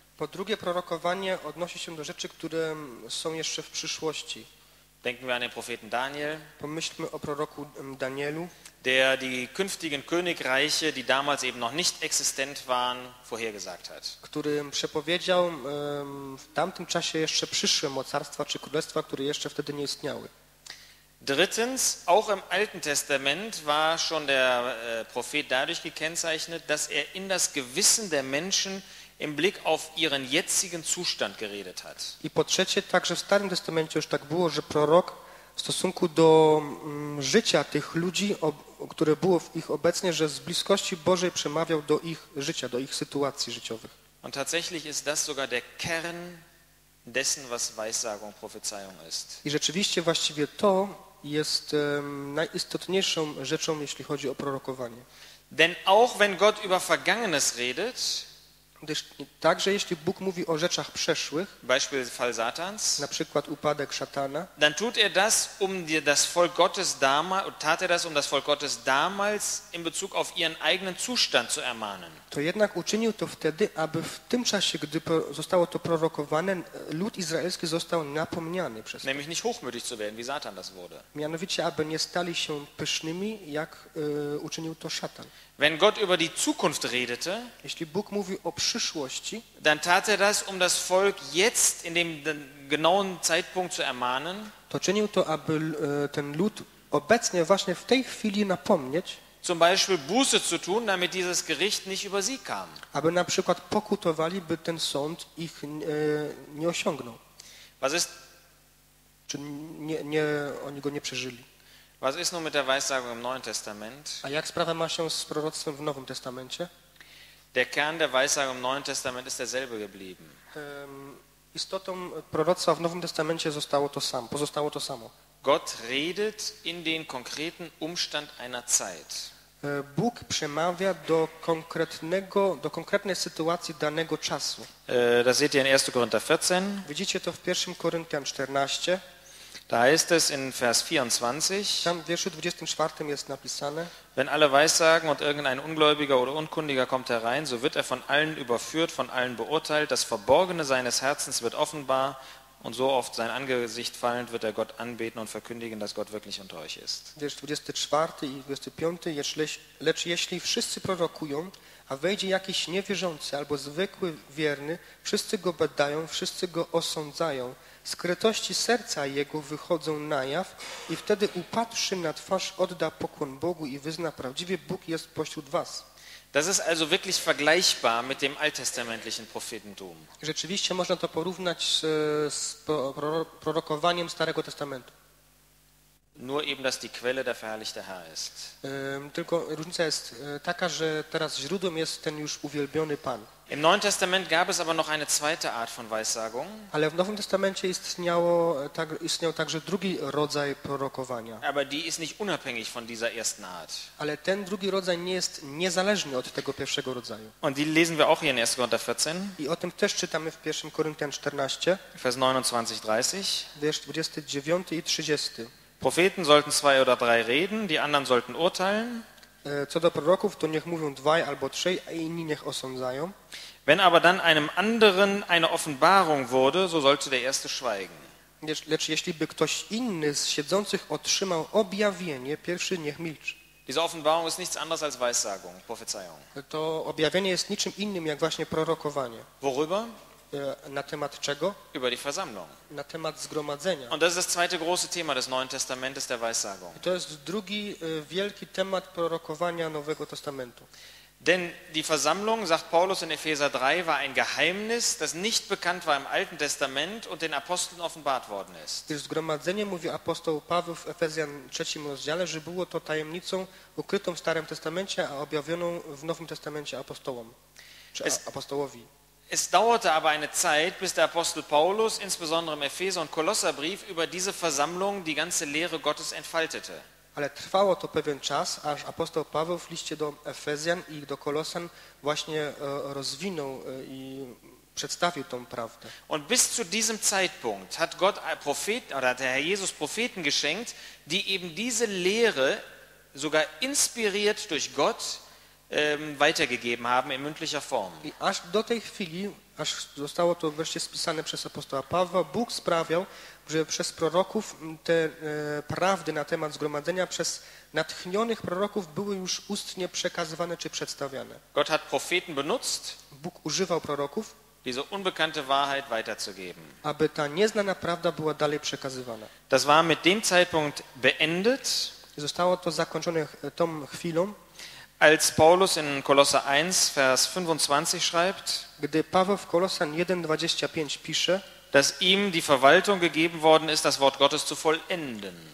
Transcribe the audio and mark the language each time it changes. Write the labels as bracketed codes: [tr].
[pl] Po drugie, prorokowanie odnosi się do rzeczy, które są jeszcze w przyszłości. [de] Denken wir an den Propheten Daniel. [pl] Pomyślmy o proroku Danielu, [de] der die künftigen Königreiche, die damals eben noch nicht existent waren, vorhergesagt hat. [pl] Który przepowiedział w tamtym czasie jeszcze przyszłe mocarstwa czy królestwa, które jeszcze wtedy nie istniały. [de] Drittens, auch im Alten Testament war schon der Prophet dadurch gekennzeichnet, dass er in das Gewissen der Menschen im Blick auf ihren jetzigen Zustand geredet hat. [pl] I po trzecie, także w Starym Testamencie już tak było, że prorok w stosunku do życia tych ludzi, które było w ich obecnie, że z bliskości Bożej przemawiał do ich życia, do ich sytuacji życiowych. [de] Und tatsächlich ist das sogar der Kern dessen, was Weissagung, Prophezeiung ist. [pl] I rzeczywiście właściwie to jest najistotniejszą rzeczą, jeśli chodzi o prorokowanie. [de] Denn auch wenn Gott über Vergangenes redet, [pl] Także jeśli Bóg mówi o rzeczach przeszłych, [de] Beispiel Fall Satans, [pl] na przykład upadek szatana, [de] dann tut er das um das Volk Gottes damals, tat er das um das Volk Gottes damals in Bezug auf ihren eigenen Zustand zu ermahnen. [pl] To jednak uczynił to wtedy, aby w tym czasie, gdy zostało to prorokowane, lud izraelski został napomniany przez. [de] Nämlich nicht hochmütig zu werden, wie Satan das wurde. [pl] Mianowicie, aby nie stali się pysznymi, jak uczynił to szatan. [de] Wenn Gott über die Zukunft redete, [pl] jeśli Bóg mówi o przyszłości, [de] dann tat er das, um das Volk jetzt in dem genauen Zeitpunkt zu ermahnen, [pl] to czynił to, aby ten lud obecnie właśnie w tej chwili napomnieć, [de] zum Beispiel Buße zu tun, damit dieses Gericht nicht über sie kam. [pl] Aby na przykład pokutowali, by ten sąd ich nie osiągnął. [de] Was ist, [pl] czy nie, oni go nie przeżyli. [de] Was ist nun mit der Weissagung im Neuen Testament? [pl] A jak sprawa ma się z proroctwem w Nowym Testamencie? [de] Der Kern der Weissagung im Neuen Testament ist derselbe geblieben. [pl] Istotą proroctwa w Nowym Testamencie zostało to samo, pozostało to samo. [de] Gott redet in den konkreten Umstand einer Zeit. [pl] Bóg przemawia do konkretnej sytuacji danego czasu. [de] Das seht ihr in 1. Korinther 14. [pl] Widzicie to w 1. Korinthian 14. [de] Da heißt es in Vers 24. [pl] Tam w wierszu 24 jest napisane. [de] Wenn alle Weissagen und irgendein Ungläubiger oder Unkundiger kommt herein, so wird er von allen überführt, von allen beurteilt. Das Verborgene seines Herzens wird offenbar. Und so oft sein Angesicht fallend wird er Gott anbeten und verkündigen, dass Gott wirklich unter euch ist. [pl] Wiersz 24 i 25, lecz jeśli wszyscy prorokują, a wejdzie jakiś niewierzący albo zwykły wierny, wszyscy go badają, wszyscy go osądzają. Skrytości serca jego wychodzą na jaw i wtedy upadłszy na twarz odda pokłon Bogu i wyzna prawdziwie Bóg jest pośród was. [de] Das ist also wirklich vergleichbar mit dem alttestamentlichen Prophetentum. [pl] Rzeczywiście można to porównać z prorokowaniem Starego Testamentu. [de] Nur eben, dass die Quelle der verherrlichte Herr ist. [pl] Tylko różnica jest taka, że teraz źródłem jest ten już uwielbiony Pan. [de] Im Neuen Testament gab es aber noch eine zweite Art von Weissagung. [pl] Ale w Nowym Testamencie istniał także drugi rodzaj prorokowania. [de] Aber die ist nicht unabhängig von dieser ersten Art. [pl] Ale ten drugi rodzaj nie jest niezależny od tego pierwszego rodzaju. [de] Und die lesen wir auch hier in 1. Korinther 14. [pl] I o tym też czytamy w 1. Korinthian 14. [de] Vers 29-30. [pl] Wiersz 29 i 30. [de] Propheten sollten zwei oder drei reden, die anderen sollten urteilen. [pl] Co do proroków, to niech mówią dwaj albo trzej, a inni niech osądzają. [de] Wenn aber dann einem anderen eine Offenbarung wurde, so sollte der erste schweigen. [pl] Lecz jeśli by ktoś inny z siedzących otrzymał objawienie, pierwszy niech milczy. [de] Diese Offenbarung ist nichts anderes als Weissagung, Prophezeiung. [pl] To objawienie jest niczym innym jak właśnie prorokowanie. [de] Worüber? [pl] Na temat czego? [de] Über die Versammlung. [pl] Na temat zgromadzenia. [de] Und das ist das zweite große Thema des Neuen Testamentes, der Weissagung. [pl] To jest drugi wielki temat prorokowania Nowego Testamentu. [de] Denn die Versammlung, sagt Paulus in Epheser 3, war ein Geheimnis, das nicht bekannt war im Alten Testament und den Aposteln offenbart worden ist. [pl] Gdyż zgromadzenie, mówi apostoł Paweł w Efezjan 3 rozdziale, że było to tajemnicą ukrytą w Starym Testamencie, a objawioną w Nowym Testamencie apostołom, czy apostołowi. [de] Es dauerte aber eine Zeit, bis der Apostel Paulus, insbesondere im Epheser- und Kolosserbrief, über diese Versammlung die ganze Lehre Gottes entfaltete. [pl] Ale trwało to pewien czas, aż apostoł Paweł w liście do Efezjan i do Kolosan właśnie rozwinął i przedstawił tą prawdę. [de] Und bis zu diesem Zeitpunkt hat Gott Propheten oder hat der Herr Jesus Propheten geschenkt, die eben diese Lehre sogar inspiriert durch Gott weitergegeben haben in mündlicher Form. [pl] I aż do tej chwili, aż zostało to wreszcie spisane przez apostoła Pawła, Bóg sprawiał, że przez proroków te prawdy na temat zgromadzenia przez natchnionych proroków były już ustnie przekazywane czy przedstawiane. [de] Gott hat Propheten benutzt, [pl] Bóg używał proroków, [de] diese unbekannte Wahrheit weiterzugeben. [pl] Aby ta nieznana prawda była dalej przekazywana. [de] Das war mit dem Zeitpunkt beendet. [pl] I zostało to zakończone tą chwilą. [de] Als Paulus in Kolosser 1, Vers 25 schreibt, [pl] gdy Paweł w Kolosan 1:25 pisze, [de] dass ihm die Verwaltung gegeben worden ist, das Wort Gottes zu vollenden.